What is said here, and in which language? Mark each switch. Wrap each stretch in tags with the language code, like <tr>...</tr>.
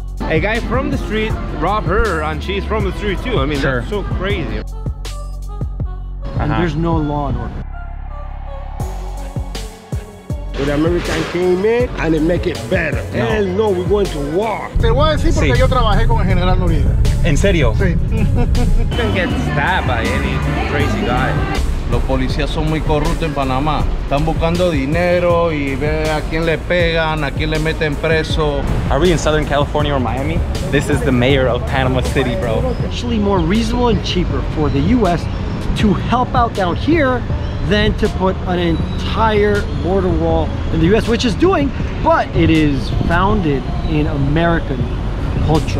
<en>A guy from the street robbed her and she's from the street too. I mean, sure. That's so crazy. And there's no law and order. So the American came in and it make it better. No. Hell no, we're going to war.</en> <es>Te voy a decir porque yo trabajé con el general Noriega. ¿En serio? Sí.</es> <en>Didn't get stabbed by any crazy guy.</en> <es>Los policías son muy corruptos en Panamá. Están buscando dinero y ve a quién le pegan, a quién le meten preso.</es> <en>Are we in Southern California or Miami? This is the mayor of Panama City, bro. Actually more reasonable and cheaper for the US to help out down here than to put an entire border wall in the US, which is doing, but it is founded in American culture.</en>